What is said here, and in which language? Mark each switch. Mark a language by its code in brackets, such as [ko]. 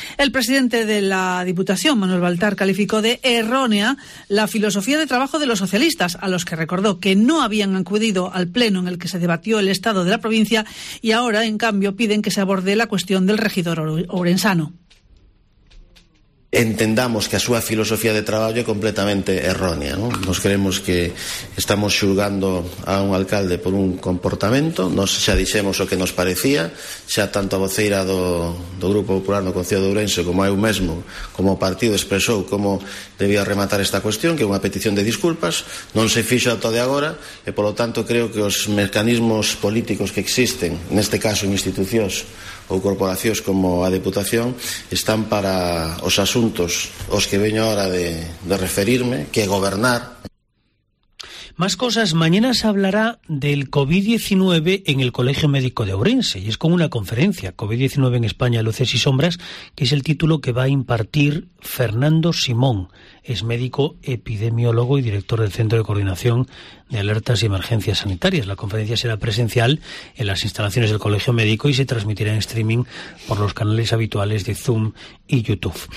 [es] El presidente de la Diputación, Manuel Baltar, calificó de errónea la filosofía de trabajo de los socialistas, a los que recordó que no habían acudido al pleno en el que se debatió el estado de la provincia y ahora, en cambio, piden que se aborde la cuestión del regidor ourensano. [gl] Entendamos que a súa filosofía de traballo é completamente errónea, ¿no? Nos creemos que estamos xulgando a un alcalde por un comportamento, nos xa dixemos o que nos parecía, xa tanto a voceira do Grupo Popular no Concello de Ourense como eu mesmo, como o partido expresou como debía rematar esta cuestión, que é unha petición de disculpas, non se fixo ata de agora, e polo tanto creo que os mecanismos políticos que existen, neste caso en institucións ou corporacións como a Deputación, están para os asuntos os que veño ahora de referirme, que gobernar. [es] Más cosas, mañana se hablará del COVID-19 en el Colegio Médico de Ourense, y es con una conferencia, COVID-19 en España, luces y sombras, que es el título que va a impartir Fernando Simón. Es médico epidemiólogo y director del Centro de Coordinación de Alertas y Emergencias Sanitarias. La conferencia será presencial en las instalaciones del Colegio Médico y se transmitirá en streaming por los canales habituales de Zoom y YouTube.